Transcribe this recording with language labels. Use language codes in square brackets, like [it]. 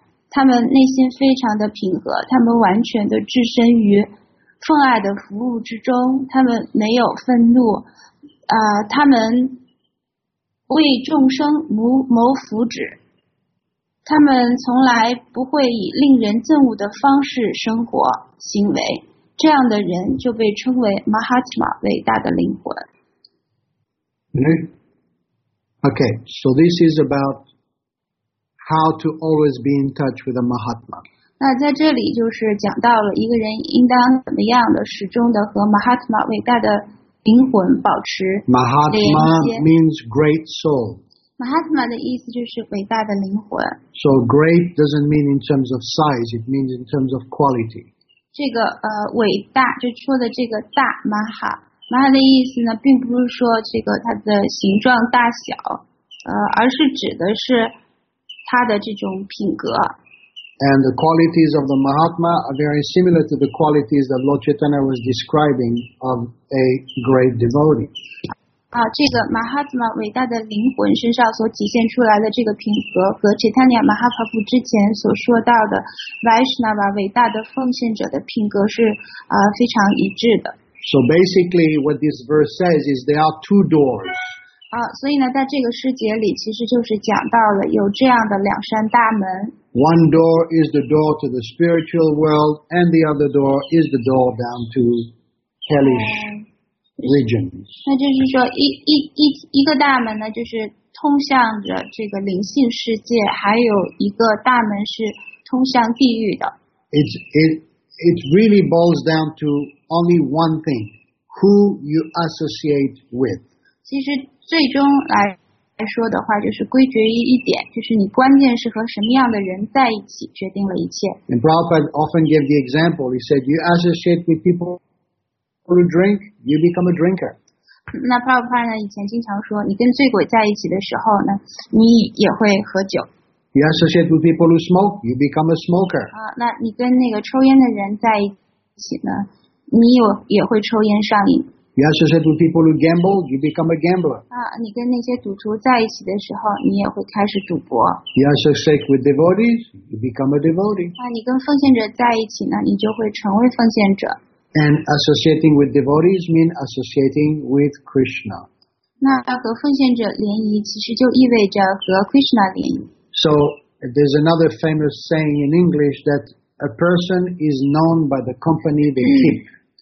[zh] 他们内心非常的平和，他们完全的置身于奉爱的服务之中，他们没有愤怒，他们为众生谋福祉，他们从来不会以令人憎恶的方式生活行为，这样的人就被称为 Mahatma， 伟大的灵魂。 [en] Okay, so this is about how to always be in touch with a Mahatma. [zh] 那在这里就是讲到了一个人应当怎么样的始终的和 Mahatma 伟大的灵魂保持连接。 [en] Mahatma means great soul. [zh] Mahatma 的意思就是伟大的灵魂。 [en] So great doesn't mean in terms of size, it means in terms of quality. [zh] 这个伟大就说的这个大 Mahatma 的意思呢，并不是说这个它的形状大小，而是指的是他的这种品格。 [en] And the qualities of the Mahatma are very similar to the qualities that Lord Chaitanya was describing of a great devotee. [zh] 这个 Mahatma 伟大的灵魂身上所体现出来的这个品格，和 Chaitanya Mahaprabhu 之前所说到的 Vaishnava 伟大的奉献者的品格是非常一致的。 [en] So basically what this verse says is there are two doors. [zh] 所以呢，在这个诗节里，其实就是讲到了有这样的两扇大门。 [en] One door is the door to the spiritual world, and the other door is the door down to hellish regions. [zh] 那就是说，一个大门呢，就是通向着这个灵性世界，还有一个大门是通向地狱的。 [en] It really boils down to only one thing: who you associate with. [zh] 其实最终来说的话，就是归决于一点，就是你关键是和什么样的人在一起，决定了一切。 [en] And Prabhupada often gave the example. He said, "You associate with people who drink, you become a drinker." [zh] 那 Prabhupada 呢，以前经常说，你跟醉鬼在一起的时候呢，你也会喝酒。 [en] You associate with people who smoke, you become a smoker. [zh] 那你跟那个抽烟的人在一起呢，你也会抽烟上瘾。 [en] You associate with people who gamble, you become a gambler. [zh] 你跟那些赌徒在一起的时候，你也会开始赌博。 [en] You associate with devotees, you become a devotee. [zh] 你跟奉献者在一起呢，你就会成为奉献者。 [en] And associating with devotees means associating with Krishna. [zh] 那和奉献者联谊，其实就意味着和 Krishna 联谊。 [en] So there's another famous saying in English that a person is known by the company they keep.